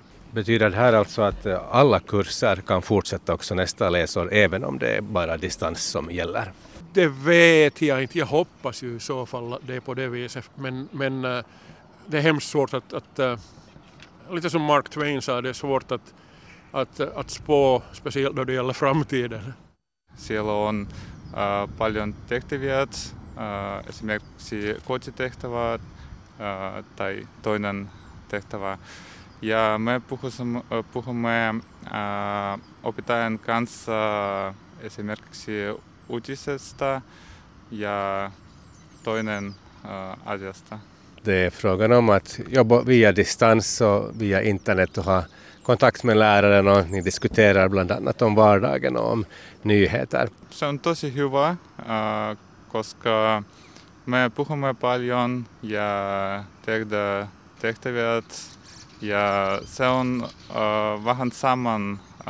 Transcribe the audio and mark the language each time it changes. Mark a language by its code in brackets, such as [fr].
[sv] Betyder det här alltså att alla kurser kan fortsätta också nästa läsår, även om det är bara distans som gäller? Det vet jag inte. Jag hoppas ju i så fall att det är på det viset. Men det är hemskt svårt att lite som Mark Twain sa, det är svårt att spå, speciellt när det gäller framtiden. [fi] Siellä on paljon tehtäviä. Esimerkiksi kotitehtävä tai toinen tehtävä. Ja me puhumme opettajan kanssa esimerkiksi uutisesta ja toinen asiasta. [sv] Det är frågan om att jobba via distans och via internet och ha kontakt med läraren, och ni diskuterar bland annat om vardagen och om nyheter. [fi] Se on tosi hyvä, koska me puhumme paljon ja tehdä tehtäviä, ja se on vähän saman